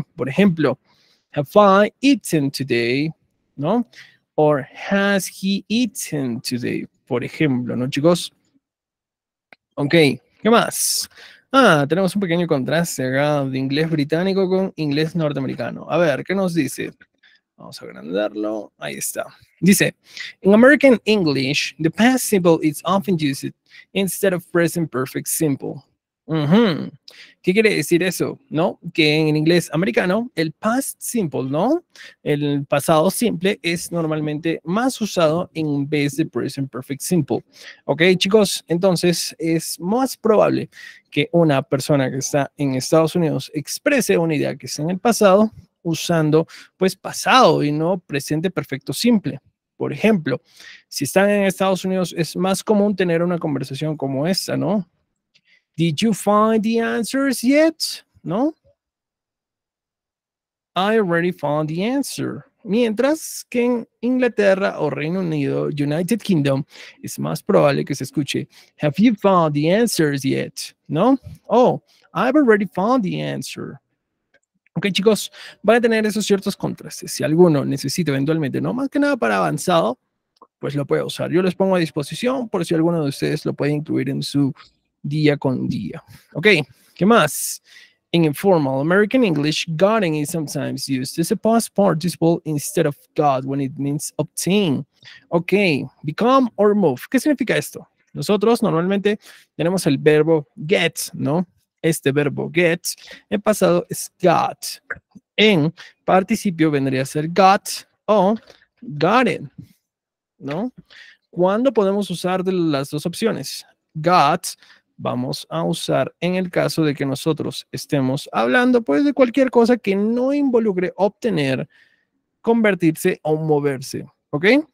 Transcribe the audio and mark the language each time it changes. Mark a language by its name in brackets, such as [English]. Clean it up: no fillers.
[Spanish] Por ejemplo, [English] have I eaten today, ¿no? Or has he eaten today, [Spanish] por ejemplo, ¿no, chicos? Ok, ¿qué más? Ah, tenemos un pequeño contraste acá de inglés británico con inglés norteamericano. A ver, ¿qué nos dice? Vamos a agrandarlo. Ahí está. [English] Dice, in American English, the past simple is often used instead of present perfect simple. [Spanish] Uh-huh. ¿Qué quiere decir eso? ¿No? Que en inglés americano, el past simple, ¿no? El pasado simple es normalmente más usado en vez de present perfect simple. Ok, chicos, entonces es más probable que una persona que está en Estados Unidos exprese una idea que está en el pasado usando, pues, pasado y no presente perfecto simple. Por ejemplo, si están en Estados Unidos, es más común tener una conversación como esta, ¿no? [English] Did you find the answers yet? ¿No? I already found the answer. [Spanish] Mientras que en Inglaterra o Reino Unido, United Kingdom, es más probable que se escuche, [English] have you found the answers yet? [Spanish] ¿No? [English] Oh, I've already found the answer. [Spanish] Ok, chicos, van a tener esos ciertos contrastes. Si alguno necesita eventualmente, no más que nada para avanzado, pues lo puede usar. Yo les pongo a disposición por si alguno de ustedes lo puede incluir en su día con día. Ok, ¿qué más? [English] In informal American English, gotten is sometimes used as a past participle instead of got when it means obtain. Ok, become or move. [Spanish] ¿Qué significa esto? Nosotros normalmente tenemos el verbo get, ¿no? Este verbo get, en pasado es got. En participio vendría a ser got o gotten, ¿no? ¿Cuándo podemos usar de las dos opciones? Got vamos a usar en el caso de que nosotros estemos hablando pues de cualquier cosa que no involucre obtener, convertirse o moverse, ¿ok?